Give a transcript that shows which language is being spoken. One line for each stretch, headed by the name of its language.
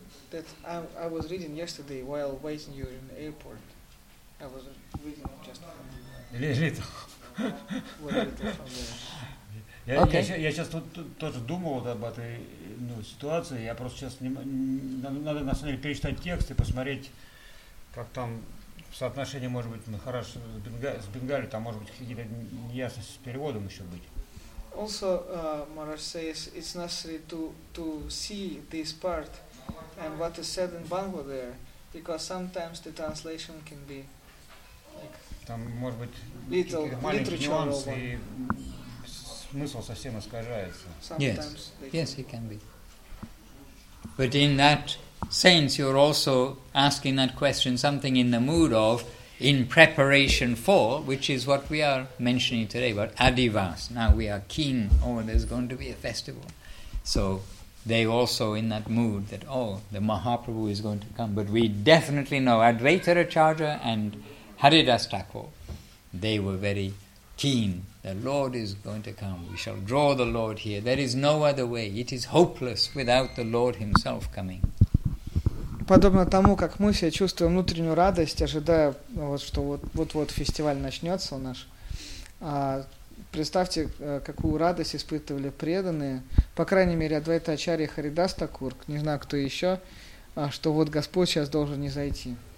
English: That I was reading yesterday while waiting you in the airport. I was reading just little.
Russian: Я сейчас тут тоже думал об этой ну, ситуация. Я просто сейчас надо на самом деле перечитать текст и посмотреть, как там соотношение может быть Махараш с Бенгали, там может быть какие-то неясности с переводом еще быть.
English: Also, Maharaj says it's necessary to see this part and what is said in Bangla there, because sometimes the translation can be like
Russian: там, может быть,
English: little literature
Russian: нюансы, и смысл совсем искажается.
English: Yes, yes, it can be. But in that sense, you're also asking that question, something in the mood of in preparation for, which is what we are mentioning today about Adivas. Now we are keen, oh, there's going to be a festival. So they also in that mood that, oh, the Mahaprabhu is going to come. But we definitely know Advaita Acharya and Haridas Thakur, they were very keen. The Lord is going to come. We shall draw the Lord here. There is no other way. It is hopeless without the Lord himself coming.
Russian: Подобно тому, как мы себя чувствуем внутреннюю радость, ожидая, вот, что вот-вот фестиваль начнется у нас, представьте, какую радость испытывали преданные, по крайней мере, Адвайта Ачарья и Харидас Такур, не знаю, кто еще, что вот Господь сейчас должен изойти.